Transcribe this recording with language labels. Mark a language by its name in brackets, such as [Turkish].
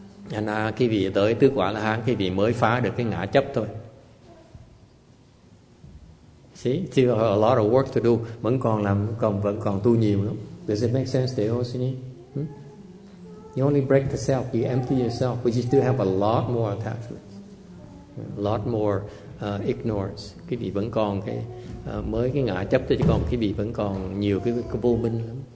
[Vietnamese] Anh khi vị tới tứ quả là hán, khi vị mới phá được cái ngã chấp thôi. [English] See, still a lot of work to do. [Vietnamese] Vẫn còn tu nhiều lắm. [English] Does it make sense, Deo Sini? You only break the self, you empty yourself, but you still have a lot more attachments, a lot more ignorance. [Vietnamese] Quý vị vẫn còn mới cái ngã chấp thôi, chứ còn quý vị vẫn còn nhiều cái vô minh lắm.